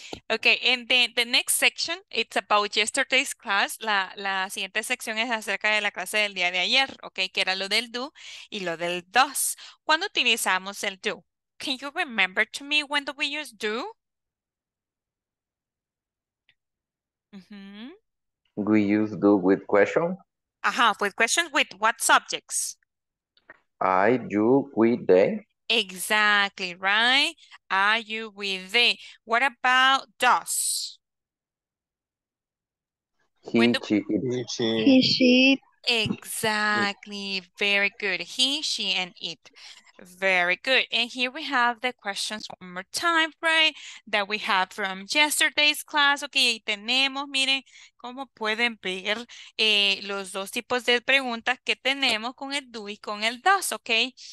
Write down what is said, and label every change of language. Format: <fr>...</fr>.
<en>Okay, and then the next section, it's about yesterday's class.</en> <es>La siguiente sección es acerca de la clase del día de ayer, okay? Que era lo del do y lo del does. ¿Cuándo utilizamos el do?</es> <en>Can you remember to me when do we use do? Mm-hmm. We use do with question? Uh-huh, with questions with what subjects? I, you, we, they. Exactly, right? I, you, we, they. What about does? He, she. Exactly, very good. He, she, and it. Very good. And here we have the questions one more time, right? That we have from yesterday's class.</en> <es>Okay, tenemos, miren, como pueden ver los dos tipos de preguntas que tenemos con el do y con el does, okay?</es>